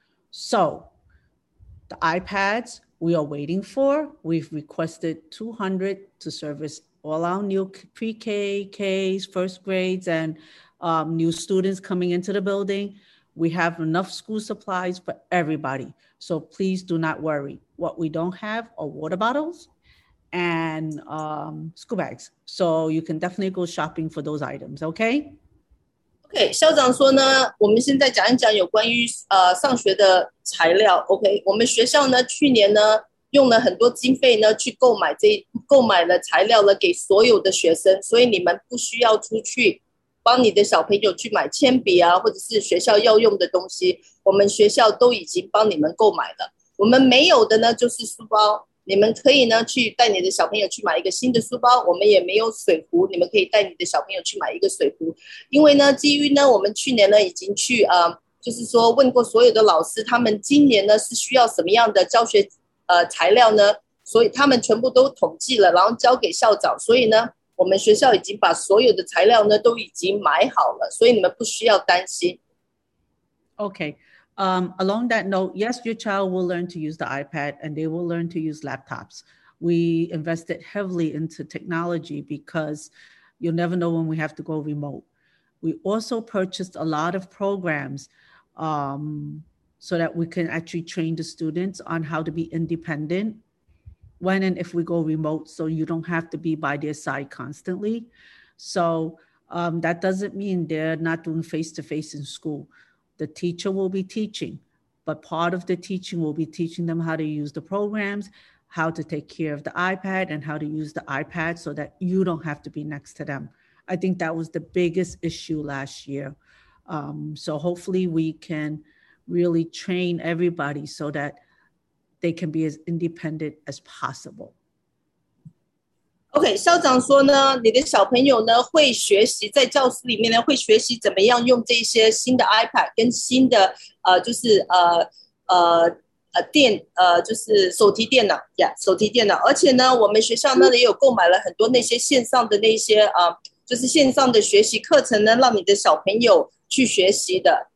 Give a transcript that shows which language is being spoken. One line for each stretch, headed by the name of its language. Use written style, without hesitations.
English: So the iPads we are waiting for, we've requested 200 to service all our new pre-K, Ks, first grades and new students coming into the building. We have enough school supplies for everybody. So please do not worry. What we don't have are water bottles and school bags. So you can definitely go shopping for those items, okay?
Chinese: Okay, 校长说呢，我们现在讲一讲有关于上学的材料。 Okay, 我们学校呢，去年呢，用了很多经费呢，去购买了材料了给所有的学生，所以你们不需要出去帮你的小朋友去买铅笔啊，或者是学校要用的东西，我们学校都已经帮你们购买了。我们没有的呢，就是书包，你们可以呢去带你的小朋友去买一个新的书包。我们也没有水壶，你们可以带你的小朋友去买一个水壶。因为呢，基于呢，我们去年呢已经去就是说问过所有的老师，他们今年呢是需要什么样的教学材料呢？所以他们全部都统计了，然后交给校长。所以呢，我们学校已经把所有的材料呢都已经买好了，所以你们不需要担心。
English: Okay, along that note, yes, your child will learn to use the iPad and they will learn to use laptops. We invested heavily into technology because you'll never know when we have to go remote. We also purchased a lot of programs so that we can actually train the students on how to be independent when and if we go remote, so you don't have to be by their side constantly. So that doesn't mean they're not doing face-to-face in school. The teacher will be teaching, but part of the teaching will be teaching them how to use the programs, how to take care of the iPad, and how to use the iPad so that you don't have to be next to them. I think that was the biggest issue last year. So hopefully we can really train everybody so that they can be as independent as possible.
Chinese: OK， 校长说呢，你的小朋友呢会学习在教室里面呢会学习怎么样用这些新的 iPad 跟新的就是电就是手提电脑呀、yeah, 手提电脑，而且呢我们学校那里有购买了很多那些线上的那些就是线上的学习课程呢让你的小朋友去学习的。